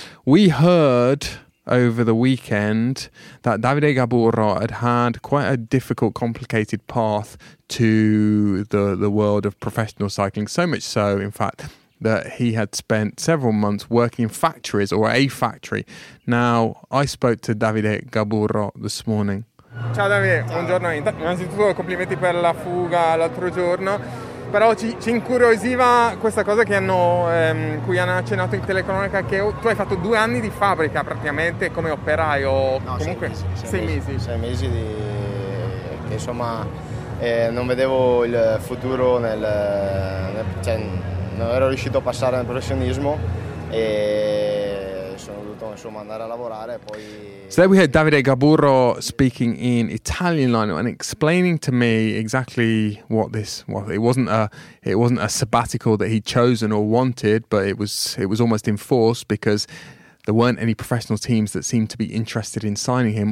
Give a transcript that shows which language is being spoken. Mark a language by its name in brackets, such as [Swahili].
[English] We heard over the weekend that Davide Gaburro had had quite a difficult, complicated path to the world of professional cycling, so much so, in fact, that he had spent several months working in factories or a factory. Now, I spoke to Davide Gaburro this morning. [Italian] Ciao Davide, buongiorno. Innanzitutto complimenti per la fuga l'altro giorno. Però ci incuriosiva questa cosa che hanno cui hanno accennato in telecronaca, che tu hai fatto due anni di fabbrica praticamente come operaio. No, comunque sei mesi di, che insomma non vedevo il futuro cioè non ero riuscito a passare nel professionismo e sono dovuto insomma andare a lavorare e poi. [English] So there we had Davide Gaburro speaking in Italian, Lionel, and explaining to me exactly what this was. It wasn't a sabbatical that he'd chosen or wanted, but it was almost enforced because there weren't any professional teams that seemed to be interested in signing him.